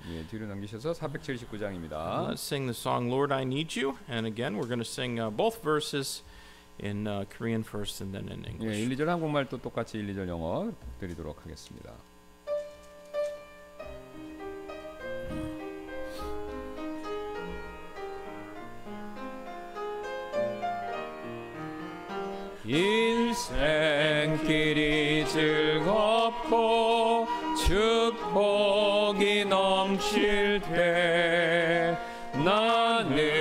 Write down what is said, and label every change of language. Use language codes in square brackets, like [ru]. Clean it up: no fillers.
[ko] 예, 뒤로 넘기셔서 479장입니다. [en] Let's sing the song "Lord, I Need You." And again, we're going to sing both verses in Korean first and then in English. [ko] 예, 1, 2절 한국말 또 똑같이 1, 2절 영어 드리도록 하겠습니다. 인생길이 즐겁고 축복이 넘칠 때 나는